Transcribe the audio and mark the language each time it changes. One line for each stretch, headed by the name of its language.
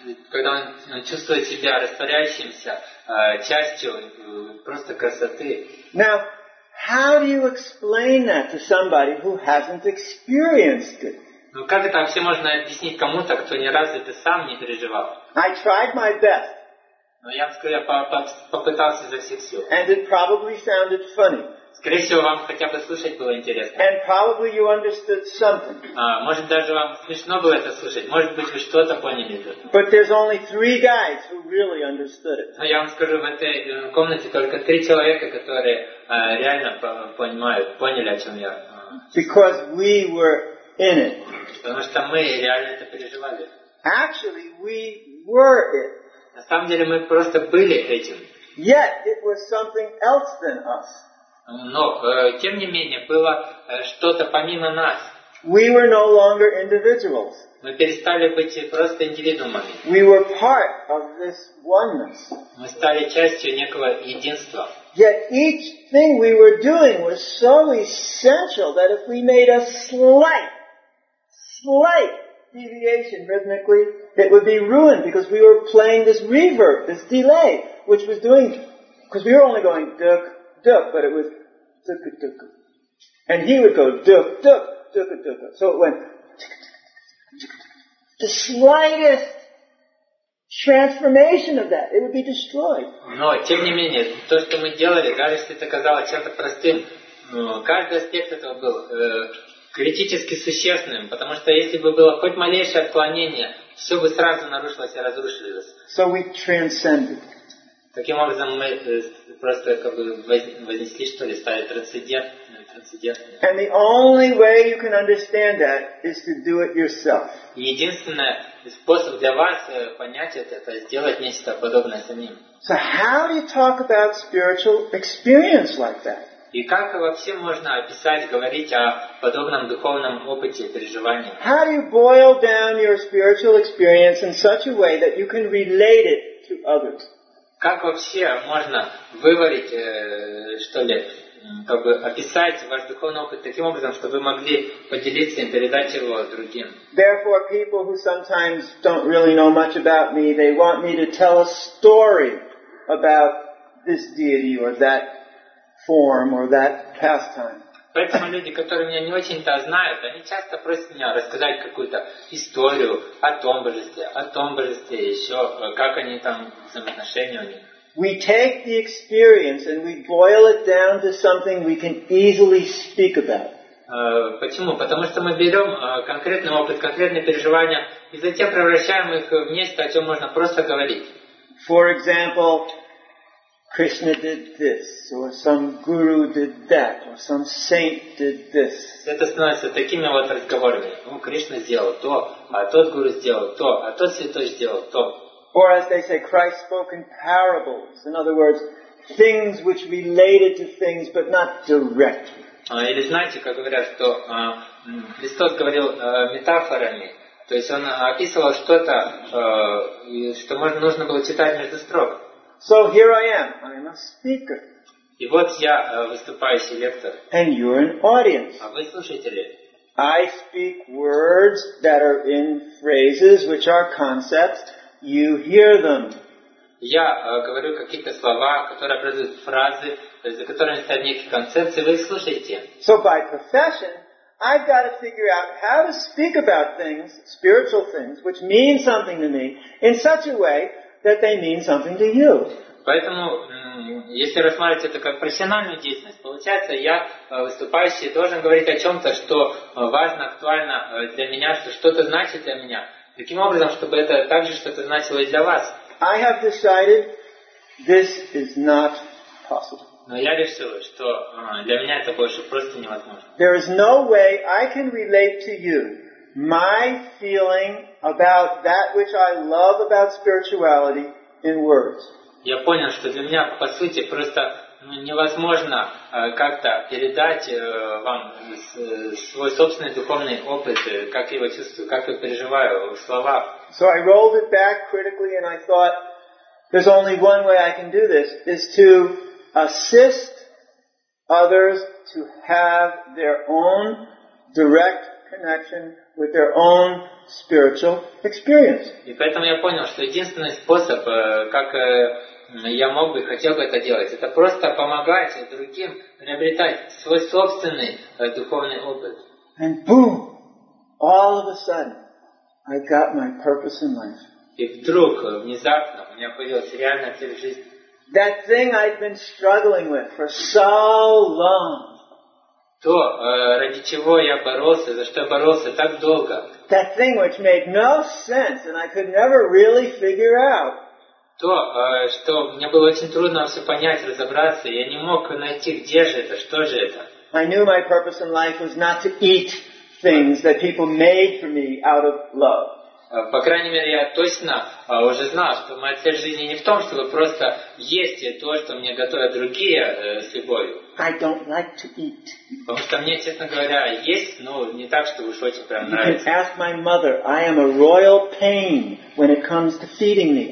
Russian: Когда он чувствует себя растворяющимся частью просто красоты.
English: Now, how do you explain that to somebody who hasn't experienced it?
Russian: Ну как это вообще можно объяснить кому-то, кто ни разу это сам не переживал?
English: I tried my best.
Russian: Но я скорее попытался изо всех сил.
English: And it probably sounded funny.
Russian: Скорее всего, вам хотя бы слушать было интересно.
English: And probably you understood something.
Russian: Может, даже вам смешно было это слушать. Может быть, вы что-то поняли.
English: But there's only three guys who really understood it.
Russian: Но я вам скажу, в этой комнате только три человека, которые реально понимают, поняли, о чем я.
English: Because we were in it.
Russian: Потому что мы реально это переживали.
English: Actually, we were it.
Russian: На самом деле, мы просто были этим.
English: Yet it was something else than us.
Russian: Но, тем не менее, было что-то помимо нас.
English: We were no longer individuals.
Russian: Мы перестали быть просто индивидуумами.
English: We were part of this oneness.
Russian: Мы стали частью некого единства.
English: Yet each thing we were doing was so essential that if we made a slight deviation rhythmically, it would be ruined because we were playing this reverb, this delay, which was doing, because we were only going duk, duk, but it was duk, duk. And he would go duk, duk, duk, duk. So it went The slightest transformation of that, it would be destroyed.
Russian: Но тем не менее, то, что мы делали, даже если это казалось чем-то простым, каждый аспект этого был критически существенным, потому что если бы было хоть малейшее отклонение, все бы сразу нарушилось и разрушилось.
English: So we transcended.
Russian: Таким образом, мы просто как бы вознесли, что ли, стали трансцендентными. Единственный способ для вас понять это сделать нечто подобное самим.
English: So how do you talk about spiritual experience like that?
Russian: И как вообще можно описать, говорить о подобном духовном опыте, переживании?
English: How do you boil down your spiritual experience in such a way that you can relate it to others?
Russian: Как вообще можно выварить, что ли, как бы описать ваш духовный опыт таким образом, чтобы вы могли поделиться им, передать его другим?
English: Therefore, people who sometimes don't really know much about me, they want me to tell a story about this deity or that form or that pastime.
Russian: Поэтому люди, которые меня не очень-то знают, они часто просят меня рассказать какую-то историю о том божестве, еще как они там взаимоотношения у них.
English: We take the experience and we boil it down to something we can easily speak about.
Russian: Почему? Потому что мы берем конкретный опыт, конкретные переживания и затем превращаем их в нечто, о чем можно просто говорить.
English: For example, Krishna did this, or some guru did that, or some saint did this.
Russian: Это становится такими вот разговорами. Ну, Кришна сделал то, а тот гуру сделал то, а тот святой сделал то.
English: Or as they say, Christ spoke in parables. In other words, things which related to things, but not directly.
Russian: Или знаете, как говорят, что Христос говорил метафорами. То есть он описывал что-то, что нужно было читать между строк.
English: So here I am. I'm a speaker.
Russian: И вот я выступающий лектор.
English: And you're an audience.
Russian: А вы слушатели.
English: I speak words that are in phrases, which are concepts. You hear them.
Russian: Я говорю какие-то слова, которые образуют фразы, за которыми стоят некие концепции. Вы слушаете.
English: So by profession, I've got to figure out how to speak about things, spiritual things, which mean something to me, in such a way that they mean something to you.
Russian: Поэтому, если рассматривать это как профессиональную деятельность, получается, я выступающий должен говорить о чем-то, что важно, актуально для меня, что что-то значит для меня. Таким образом, чтобы это также что-то значило и для вас.
English: I have decided this is not possible.
Russian: Но я решил, что для меня это больше просто невозможно.
English: There is no way I can relate to you my feeling about that which I love about spirituality in words.
Russian: Я понял, что для меня, по сути, просто невозможно как-то передать вам свой собственный духовный опыт, как я его чувствую, как я переживаю в словах.
English: So I rolled it back critically and I thought, there's only one way I can do this, is to assist others to have their own direct connection with their own spiritual experience.
Russian: И поэтому я понял, что единственный способ, как я мог бы, хотел бы это делать, это просто помогать другим приобретать свой собственный духовный опыт.
English: And boom! All of a sudden, I got my purpose in life.
Russian: И вдруг, внезапно, у меня появилась реальная цель в жизни.
English: That thing I've been struggling with for so long.
Russian: То, ради чего я боролся, за что я боролся так долго.
English: That thing which made no sense and I could never really figure out.
Russian: То, что мне было очень трудно все понять, разобраться, я не мог найти, где же это, что же это.
English: I knew my purpose in life was not to eat things that people made for me out of love.
Russian: По крайней мере, я точно уже знал, что моя цель жизни не в том, чтобы просто есть то, что мне готовят другие с любовью.
English: I don't like to eat.
Russian: Потому что мне, честно говоря, есть, но не так, чтобы уж очень прям нравится.
English: You can ask my mother. I am a royal pain when it comes to feeding me.